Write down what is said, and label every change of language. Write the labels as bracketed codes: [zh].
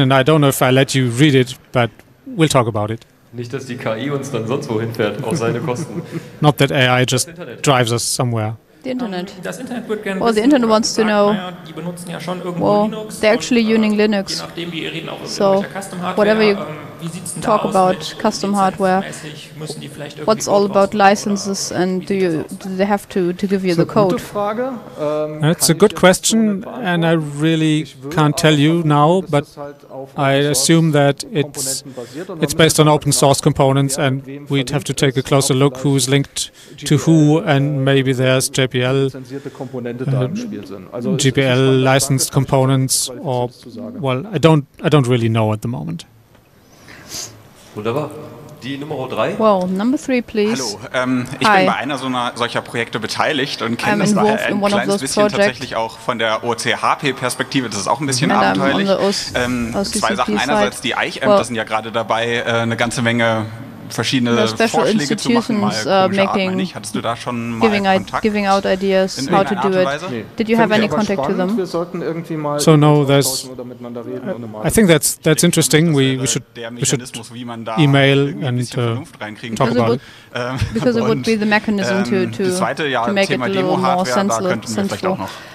[en] And I don't know if I let you read it, but we'll talk about it. [de] Nicht, dass die KI uns dann sonst wohin fährt auf seine Kosten. [en] Not that AI just drives us somewhere. The internet. Well, the internet wants to know. Well, they're actually using Linux. So, whatever you talk about custom hardware, what's all about licenses, and do they have to give you the code? It's a good question, and I really can't tell you now. But I assume that it's based on open source components, and we'd have to take a closer look who's linked to who, and maybe there's GPL licensed components, or well, I don't really know at the moment. [de] Wunderbar. Die Nummer 3. [en] Well, number 3, please. [de] Hallo. Ich bin bei einer solcher Projekte beteiligt und kenne das daher ein kleines bisschen tatsächlich auch von der OCHP-Perspektive. Das ist auch ein bisschen abenteuerlich. Zwei Sachen. Einerseits die Eichämter sind ja gerade dabei, eine ganze Menge verschiedene Vorschläge zu machen, hattest du da schon mal Kontakt? [en] Giving out ideas, in how to do it. [de] Nee. [en] Did you have any contact to them? So no, there's. I think that's interesting. We should email and talk about because it would be the mechanism to make it a little more sensible.